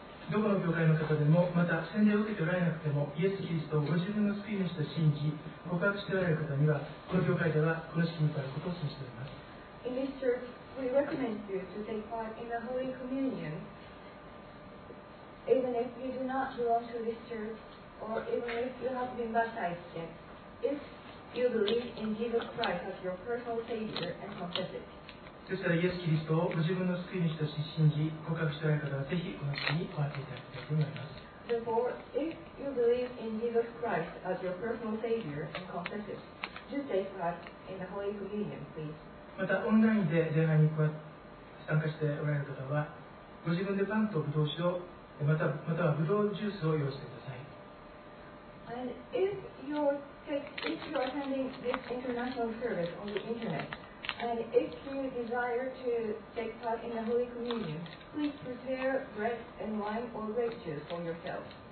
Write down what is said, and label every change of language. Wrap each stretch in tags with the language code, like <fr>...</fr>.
<ja>どこの教会の方でも、また洗礼を受けておられなくても、イエス・キリストをご自分の救い主と信じ告白しておられる方には、この教会ではこの式に至ることを示しております。</ja> <en>Or even if you have been baptized yet, if you believe in Jesus Christ as your personal Savior and confess it.</en> <ja>そしたらイエス・キリストをご自分の救い主として信じ告白しておられる方は、ぜひこの式にお集まりいただきたいと思います。</ja> <en>Therefore, if you believe in Jesus Christ as your personal Savior and confess it, do take part in the Holy Communion, please.</en> <ja>またオンラインで礼拝に参加しておられる方は、ご自分でパンとブドウ酒を、またはブドウジュースを用意してください。</ja> <en>And if you are attending this international service on the internet, and if you desire to take part in the Holy Communion, please prepare bread and wine or grape juice for yourself.</en>